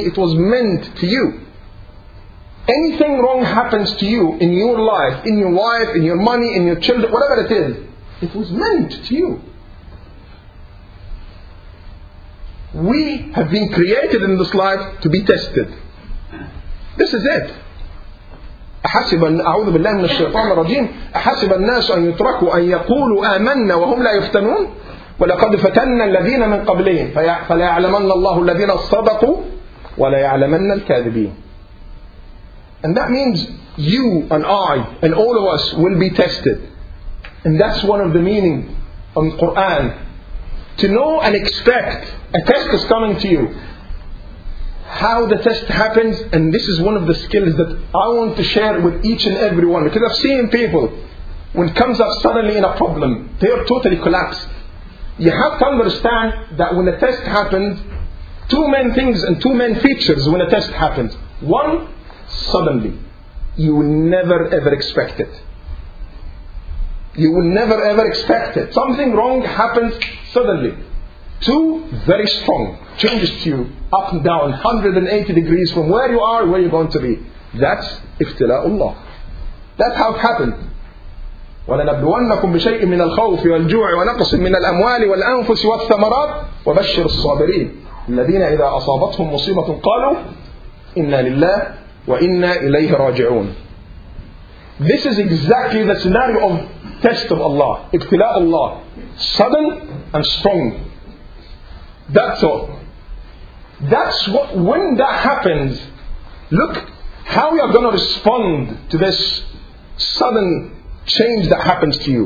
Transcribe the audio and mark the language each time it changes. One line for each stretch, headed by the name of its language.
English: It was meant to you. Anything wrong happens to you in your life, in your wife, in your money, in your children, whatever it is, it was meant to you. We have been created in this life to be tested. This is it.
Arabic: أعوذ بالله من الشيطان الرجيم أحسب الناس أن يتركوا أن يقولوا آمنا وهم لا يفتنون ولقد فتنا الذين من قبلهم فليعلمن الله الذين صدقوا ولا يعلمن الكاذبين.
English: And that means you and I and all of us will be tested. And that's one of the meaning of the Quran. To know and expect a test is coming to you. How the test happens, and this is one of the skills that I want to share with each and every one. Because I've seen people, when it comes up suddenly in a problem, they are totally collapsed. You have to understand that when a test happens, two main things and two main features when a test happens. One, suddenly. You will never ever expect it. You will never ever expect it. Something wrong happens suddenly. Two, very strong. Changes to you up and down 180 degrees from where you are, where you're going to be. That's iftila'ullah. That's how it happened.
Arabic: ولنبلونكم بشيء من الخوف والجوع ونقص من الأموال والأنفس والثمرات وبشر الصابرين الذين إذا أصابتهم مصيبة قالوا إنا لله وإنا إليه راجعون.
English: This is exactly the scenario of test of Allah, ابتلاء Allah, sudden and strong. That's all. That's what, when that happens, look how you are going to respond to this sudden change that happens to you.